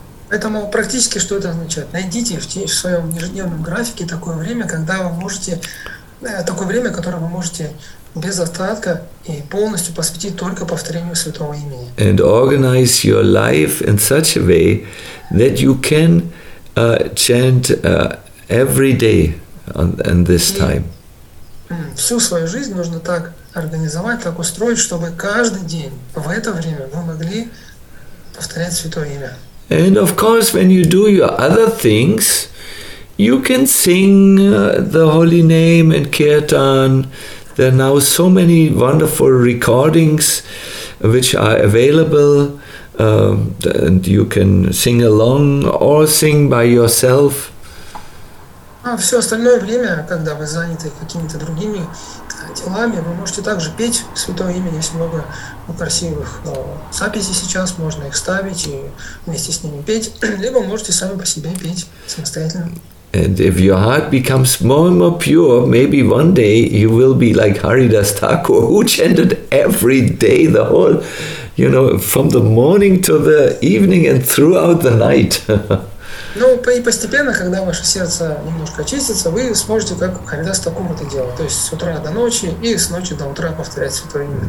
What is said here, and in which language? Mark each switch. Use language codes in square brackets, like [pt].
[ru] Поэтому практически что это означает? Найдите в своем ежедневном графике такое время, когда вы можете такое время, которое вы можете без остатка и полностью посвятить только повторению святого имени. [en] And organize your life in such a way that you can chant every day on this time. [ru] Всю свою жизнь нужно так организовать, так устроить, чтобы каждый день в это время вы могли повторять святое имя. [en] And of course, when you do your other things, you can sing the holy name and kirtan. There are now so many wonderful recordings which are available, and you can sing along or sing by yourself. [ru] А все остальное время, когда вы заняты какими-то другими делами, вы можете также петь святое имя. Есть много красивых записей сейчас, можно их ставить и вместе с ними петь, либо можете сами по себе петь самостоятельно. [en] And if your heart becomes more and more pure, maybe one day you will be like Haridas Thakur, who chanted every day, the whole, you know, from the morning to the evening and throughout the night. [ru] Ну, и постепенно, когда ваше сердце немножко очистится, вы сможете как Харидас Такур это делать. То есть с утра до ночи и с ночи до утра повторять святое имя.